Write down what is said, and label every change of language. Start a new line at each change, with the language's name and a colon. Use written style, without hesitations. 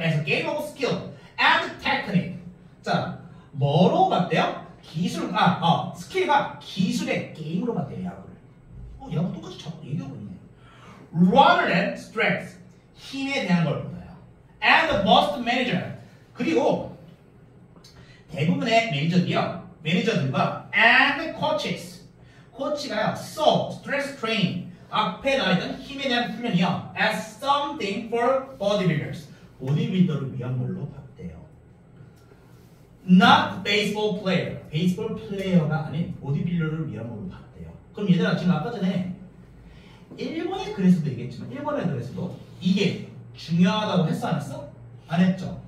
English: As a game of skill and technique.
Korean: 자, 뭐로 봤대요? 기술, 스킬과 기술의 게임으로 봤대요, 야구. 야구 똑같이 자꾸 얘기하고 있네. Runner and strength, 힘에 대한 걸 본다요.
English: And the most manager, 그리고 대부분의 매니저들이요, 매니저들과 and coaches, 코치가요.
Korean: So stress training, 앞에 나있던 힘에 대한 훈련이요.
English: As something for bodybuilders, 보디빌더를 위한 걸로 봤대요.
Korean: Not baseball player, 베이스볼 플레이어가 아닌 보디빌더를 위한 걸로 봤. 그럼 얘들아 지금 아까 전에 1번에 그랬어도 얘기했지만 1번에 그랬어도 이게 중요하다고 했어 안 했어? 안 했죠.